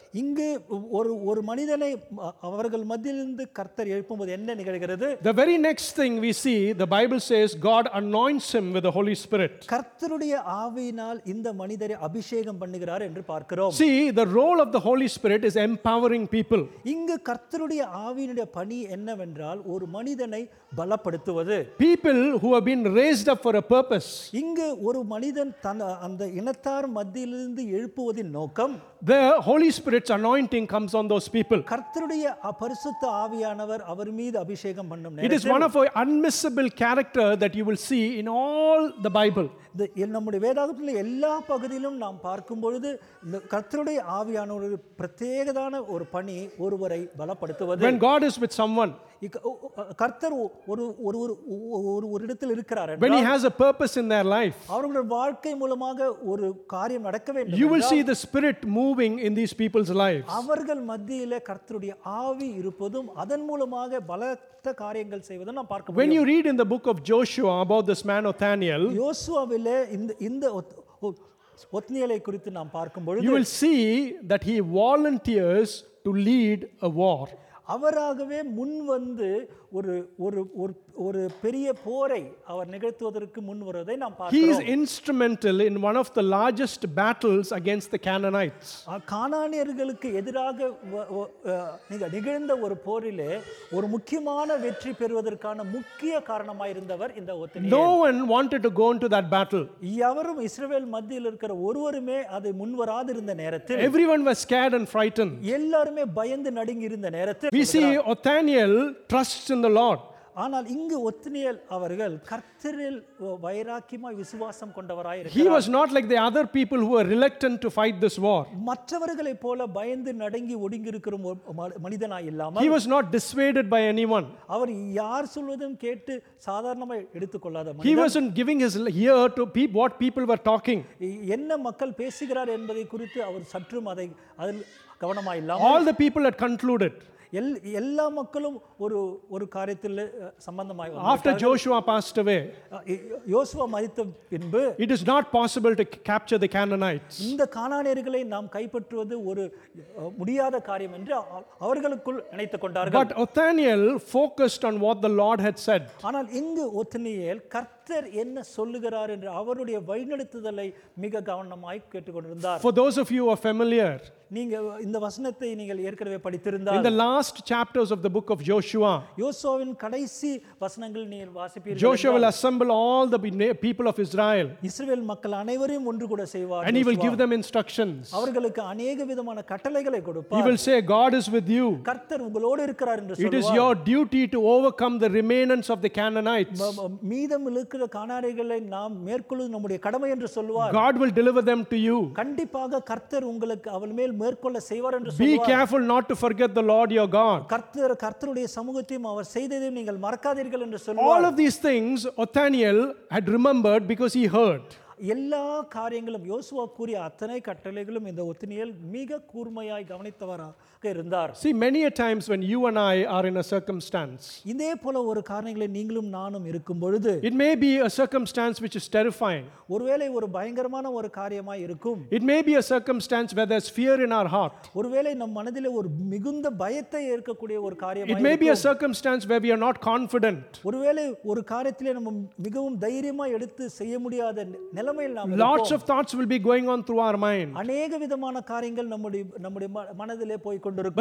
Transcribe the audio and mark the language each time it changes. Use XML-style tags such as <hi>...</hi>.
<ta>இங்கு ஒரு ஒரு மனிதனை அவர்கள் மத்தியிலிருந்து கர்த்தர் எழுப்பும்போது என்ன நிகழ்கிறது?</ta> <en>The very next thing we see, the Bible says God anoints him with the Holy Spirit.</en> <ta>கர்த்தருடைய ஆவியினால் இந்த மனிதரை அபிஷேகம் பண்ணுகிறார் என்று பார்க்கிறோம்.</ta> <en>See, the role of the Holy Spirit is empowering people.</en> <ta>இங்கு கர்த்தருடைய ஆவியினுடைய பணி என்னவென்றால் ஒரு மனிதனை பலப்படுத்துவது.</ta> <en>People who have been raised up for a purpose.</en> <ta>இங்கு ஒரு மனிதன் தன் அந்த இனத்தார் மத்தியிலிருந்து எழுப்புவதின் நோக்கம்</ta> <en>The Holy Spirit's anointing comes on those people.</en> <ta>கர்த்தருடைய பரிசுத்த ஆவியானவர் அவர் மீது அபிஷேகம் பண்ணும் நேரத்தில்</ta> <en>It is one of an unmissable character that you will see in all the Bible.</en> <ta>நம்முடைய வேதாகமத்தில் எல்லா பகுதியிலும் நாம் பார்க்கும் பொழுது கர்த்தருடைய ஆவியானவர் பிரத்யேகமான ஒரு பணி ஒருவரை பலப்படுத்துவது.</ta> <en>When God is with someone</en> <ta>கர்த்தர் ஒரு ஒரு இடத்தில் இருக்கிறார்</ta> <en>When he has a purpose in their life</en> <ta>அவருடைய வாழ்க்கை மூலமாக ஒரு காரியம் நடக்க வேண்டும்</ta> <en>You will see the spirit moving in these people's lives</en> <ta>அவர்கள் மத்தியிலே கர்த்தருடைய ஆவி இருப்பதும் அதன் மூலமாக பலத்த காரியங்கள் செய்வதும் நாம் பார்க்க முடியும்</ta> <en>When you read in the book of Joshua about this man Othniel</en> <ta>யோசுவாவிலே இந்த ஒத்னியேலை குறித்து நாம் பார்க்கும்போது</ta> <en>You will see that he volunteers to lead a war</en> <ta>அவராகவே முன் வந்து ஒரு ஒரு ஒரு பெரிய போரை அவர் நிகழ்த்துவதற்கு முன் வருவதை நாம் பார்க்கிறோம்.</ta> <en>He is instrumental in one of the largest battles against the Canaanites.</en> <ta>கானானியர்களுக்கு எதிராக நிகழ்ந்த ஒரு போரிலே ஒரு முக்கியமான வெற்றி பெறுவதற்கான முக்கிய காரணமாக இருந்தவர் இந்த Othniel.</ta> <en>No one wanted to go into that battle.</en> <ta>யாரும் இஸ்ரவேல் மத்தியில் இருக்கிற ஒருவருமே அதை முன்வராத இருந்த நேரத்தில்</ta> <en>Everyone was scared and frightened.</en> <ta>எல்லாருமே பயந்து நடுங்கி இருந்த நேரத்தில்</ta> <en>We see Othniel trusts in the Lord.</en> <ta>ஆனால் இங்கு ஒத்னியேல் அவர்கள் கர்த்தரில் வைராக்கியமாய் விசுவாசம் கொண்டவராய் இருக்கிறார்.</ta> <en>He was not like the other people who were reluctant to fight this war.</en> <ta>மற்றவர்களைப் போல பயந்து நடுங்கி ஒடுங்கிருக்கும் மனிதனாய் இல்லாமல்</ta> <en>He was not dissuaded by anyone.</en> <ta>அவர் யார் சொல்வதும் கேட்டு சாதாரணமாய் எடுத்துக்கொள்ளாத மனிதன்.</ta> <en>He wasn't giving his ear to what people were talking.</en> <ta>என்ன மக்கள் பேசுகிறார் என்பதை குறித்து அவர் சற்றும் அதை கவனமாய் இல்லாமல்</ta> <en>All the people had concluded.</en> <ta>எல்லா மக்களும் ஒரு ஒரு காரியத்தில் சம்பந்தமாய்</ta> <en>after Joshua passed away</en> <ta>யோசுவா மரித்த பின்பு</ta> <en>it is not possible to capture the Canaanites</en> <ta>இந்த கானானியர்களை நாம் கைப்பற்றுவது ஒரு முடியாத காரியம் என்று அவர்களுக்குள் நினைத்துக் கொண்டார்கள்</ta> <en>but Othniel focused on what the Lord had said</en> <ta>ஆனால் இங்கு ஒத்னியேல் கர்த்த கர்த்தர் என்ன சொல்லுகிறார் என்று அவருடைய வழிநடத்துதலை மிக கவனமாய் கேட்டுக்கொண்டிருந்தார்.</ta> <en>For those of you who are familiar,</en> <ta>நீங்க இந்த வசனத்தை நீங்கள் ஏற்கனவே படித்திருந்தால்,</ta> <en>in the last chapters of the book of Joshua,</en> <ta>யோசுவாவின் கடைசி வசனங்கள் நீர் வாசிப்பீர்கள்.</ta> <en>Joshua will assemble all the people of Israel.</en> <ta>இஸ்ரவேல் மக்கள் அனைவரையும் ஒன்று கூட செய்வார்.</ta> <en>And he will give them instructions.</en> <ta>அவர்களுக்கு अनेक விதமான கட்டளைகளை கொடுப்பார்.</ta> <en>He will say, God is with you.</en> <ta>கர்த்தர் உங்களோடு இருக்கிறார் என்று சொல்வார்.</ta> <en>It is your duty to overcome the remnants of the Canaanites.</en> <ta>மீதம் இருக்கிற கானானியர்களை நாம் மேற்கொள்ள நம்முடைய கடமை என்று சொல்வார்.</ta> <en>God will deliver them to you.</en> <ta>கண்டிப்பாக கர்த்தர் உங்களுக்கு அவள் மேல் மேற்கொள்ள செய்வார் என்று சொல்வார்.</ta> <en>Be careful not to forget the Lord your God.</en> <ta>கர்த்தருடைய சமூகத்தையும் அவர் செய்ததையும் நீங்கள் மறக்காதீர்கள் என்று சொல்வார்.</ta> <en>All of these things Othniel had remembered because he heard.</en> <ta>எல்லா காரியங்களும் யோசுவா கூறிய அத்தனை கட்டளைகளும் இந்த ஒத்தினியல் மிக கூர்மையாய் கவனித்தவராக இருந்தார்.</ta> <en>See, many a times when you and I are in a circumstance,</en> <ta>இதே போல ஒரு காரணங்களை நீங்களும் நானும் இருக்கும் பொழுது,</ta> <en>it may be a circumstance which is terrifying,</en> <ta>ஒருவேளை ஒரு பயங்கரமான ஒரு காரியமாய் இருக்கும்,</ta> <en>it may be a circumstance where there's fear in our heart,</en> <ta>ஒருவேளை நம் மனதில் ஒரு மிகுந்த பயத்தை ஏற்கக்கூடிய ஒரு காரியம்,</ta> <en>it may be a circumstance where we are not confident,</en> <ta>ஒருவேளை ஒரு காரியத்திலே நம்ம மிகவும் தைரியமா எடுத்து செய்ய முடியாத</ta> <en>lots of thoughts will be going on through our mind.</en> <ta>அநேக விதமான காரியங்கள் நம்முடைய மனதிலே போய் கொண்டிருக்கும்.</ta>